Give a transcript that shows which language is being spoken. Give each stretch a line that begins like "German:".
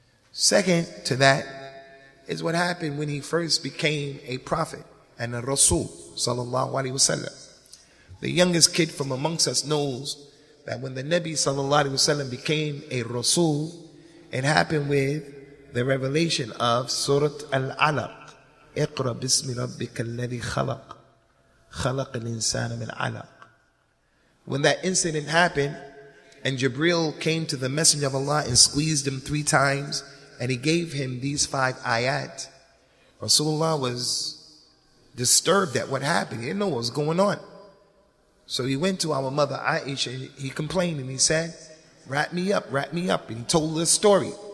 English: Second to that is what happened when he first became a prophet and a Rasul, sallallahu alaihi wasallam. The youngest kid from amongst us knows that when the Nabi, sallallahu alaihi wasallam, became a Rasul, it happened with the revelation of Surah Al-Alaq.
Arabic: اقرأ بسم ربك الذي خلق خلق الإنسان من علق.
English: When that incident happened and Jibreel came to the Messenger of Allah and squeezed him three times and he gave him these five ayat, Rasulullah was disturbed at what happened. He didn't know what was going on. So he went to our mother Aisha and he complained and he said, wrap me up, wrap me up. And he told the story.